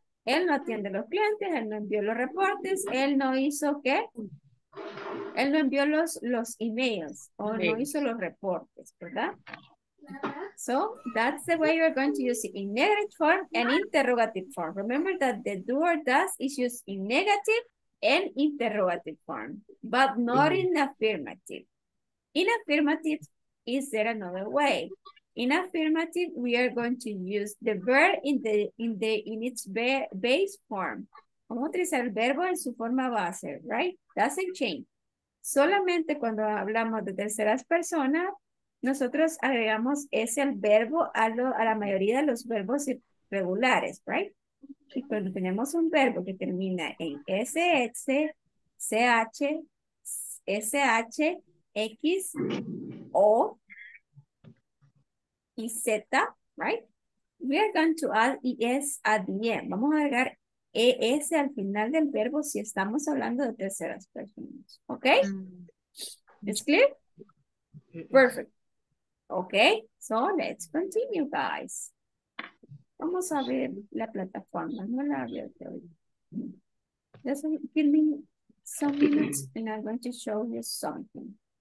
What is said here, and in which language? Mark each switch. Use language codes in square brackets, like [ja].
[es] Él no atiende los clientes, él no envió los reportes, él no hizo qué. Él no envió los emails o no hizo los reportes, ¿verdad? [en] So that's the way you're going to use it in negative form and interrogative form. Remember that the do or does is used in negative and interrogative form, but not in affirmative. In affirmative, is there another way? In affirmative, we are going to use the verb in its base form. [es] Vamos a utilizar el verbo en su forma base, right? [en] Doesn't change. [es] Solamente cuando hablamos de terceras personas, nosotros agregamos ese al verbo a la mayoría de los verbos irregulares, right? Y cuando tenemos un verbo que termina en SS, CH, SH, X, O y Z, right? [en] We are going to add ES at the end. [es] Vamos a agregar ES al final del verbo si estamos hablando de terceras personas. [en] Okay? It's clear? Perfect. Okay, so let's continue, guys. [es] Vamos a ver la plataforma, no la abierto. [en] Just give me some minutes and I'm going to show you something.